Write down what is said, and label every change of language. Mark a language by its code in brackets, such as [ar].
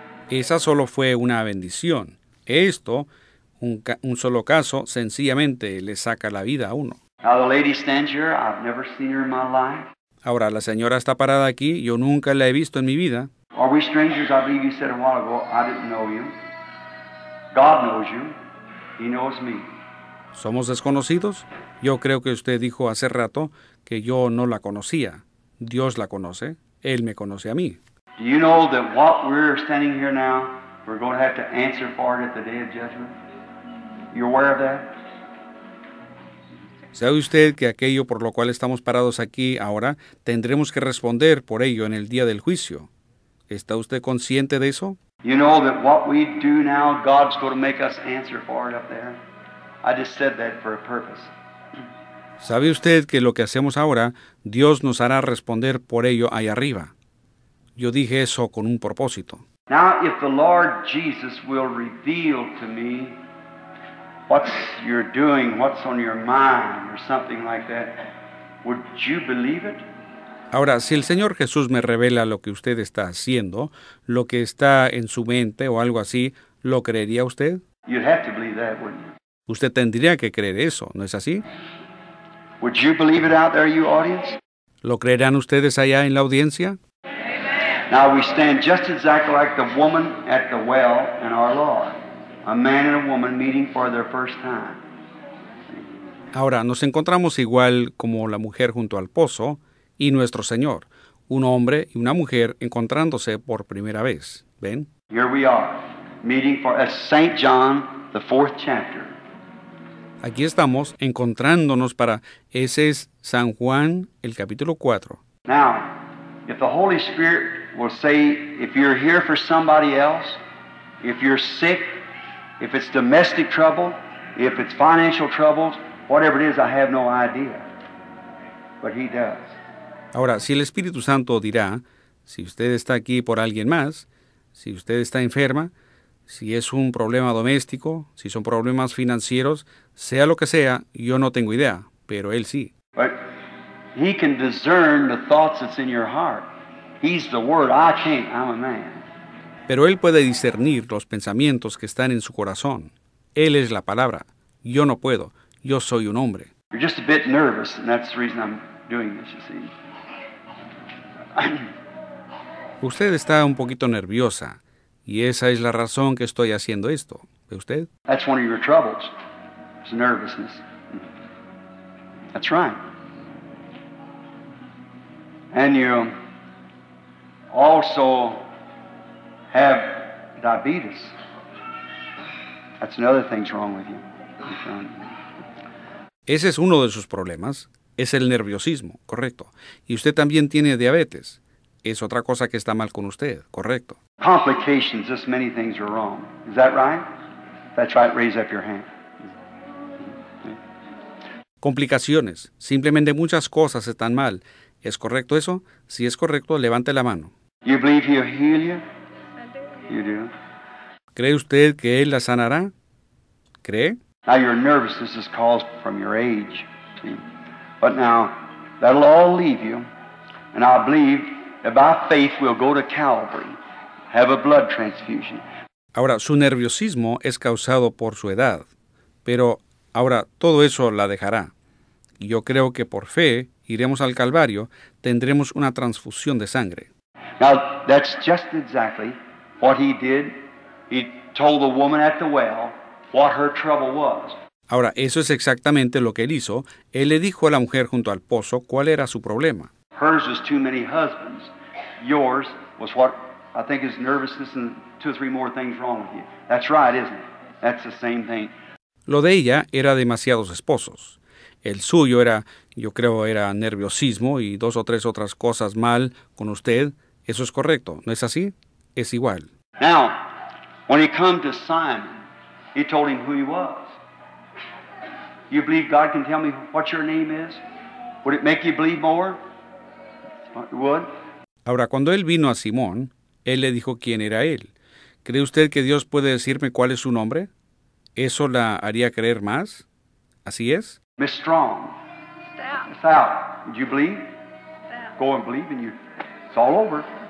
[es] Esa solo fue una bendición. Esto, un solo caso, sencillamente le saca la vida a uno. [en] Now the lady stands here, I've never seen her in my life. [es] Ahora, la señora está parada aquí. Yo nunca la he visto en mi vida. [en] Are we strangers? I believe you said a while ago, I didn't know you. God knows you. He knows me. [es] ¿Somos desconocidos? Yo creo que usted dijo hace rato que yo no la conocía. Dios la conoce. Él me conoce a mí. [en] Do you know that what we're standing here now, we're going to have to answer for it at the day of judgment? You aware of that? [es] ¿Sabe usted que aquello por lo cual estamos parados aquí ahora, tendremos que responder por ello en el día del juicio? ¿Está usted consciente de eso? [en] You know that what we do now, God's going to make us answer for it up there. I just said that for a purpose. [es] ¿Sabe usted que lo que hacemos ahora, Dios nos hará responder por ello allá arriba? Yo dije eso con un propósito. [en] Now, if the Lord Jesus will reveal to me what you're doing, what's on your mind, or something like that, would you believe it? [es] Ahora, si el Señor Jesús me revela lo que usted está haciendo, lo que está en su mente o algo así, ¿lo creería usted? [en] You'd have to believe that, wouldn't you? [es] Usted tendría que creer eso, ¿no es así? [en] Would you believe it out there, you audience? [es] ¿Lo creerán ustedes allá en la audiencia? [en] Now we stand just exactly like the woman at the well in our Lord. A man and a woman meeting for their first time. [es] Ahora, nos encontramos igual como la mujer junto al pozo y nuestro Señor. Un hombre y una mujer encontrándose por primera vez. ¿Ven? [en] Here we are, meeting for St. John, the fourth chapter. [es] Aquí estamos encontrándonos para, ese es San Juan, el capítulo 4. [en] Now, if the Holy Spirit will say, if you're here for somebody else, if you're sick, if it's domestic trouble, if it's financial troubles, whatever it is, I have no idea. But he does. [es] Ahora, si el Espíritu Santo dirá, si usted está aquí por alguien más, si usted está enferma, si es un problema doméstico, si son problemas financieros, sea lo que sea, yo no tengo idea, pero él sí. [en] But he can discern the thoughts that's in your heart. He's the word. I can't. I'm a man. [es] Pero él puede discernir los pensamientos que están en su corazón. Él es la palabra. Yo no puedo. Yo soy un hombre. [en] You're just a bit nervous, and that's the reason I'm doing this, you see. [es] Usted está un poquito nerviosa, y esa es la razón que estoy haciendo esto. ¿Ve usted? [en] That's one of your troubles. It's nervousness. That's right. And you also have diabetes. That's another thing's wrong with you. [es] Ese es uno de sus problemas, es el nerviosismo, correcto. Y usted también tiene diabetes. Es otra cosa que está mal con usted, correcto. [en] Complications, this many things are wrong. Is that right? That's right, raise up your hand. [es] Complicaciones, simplemente muchas cosas están mal. ¿Es correcto eso? Si es correcto, levante la mano. [en] You believe he'll heal you? You do. [es] ¿Cree usted que él la sanará? ¿Cree? [en] Now your nervousness is caused from your age. See? But now, that'll all leave you. And I believe that by faith we'll go to Calvary, have a blood transfusion. [es] Ahora, su nerviosismo es causado por su edad. Pero ahora, todo eso la dejará. Yo creo que por fe, iremos al Calvario, tendremos una transfusión de sangre. [en] Now, that's just exactly what he did. He told the woman at the well what her trouble was. [es] Ahora, eso es exactamente lo que él hizo. Él le dijo a la mujer junto al pozo cuál era su problema. [en] Hers was too many husbands. Yours was what I think is nervousness and two or three more things wrong with you. That's right, isn't it? That's the same thing. [es] Lo de ella era demasiados esposos. El suyo era, yo creo, era nerviosismo y dos o tres otras cosas mal con usted. Eso es correcto, ¿no es así? Es igual. [en] Now, when he came to Simon, he told him who he was. You believe God can tell me what your name is? Would it make you believe more? It would. [es] Ahora, cuando él vino a Simón, él le dijo quién era él. ¿Cree usted que Dios puede decirme cuál es su nombre? ¿Eso la haría creer más? ¿Así es? [en] Miss Strong. Stout. Stout. Would you believe? Stout. Go and believe in you. It's all over.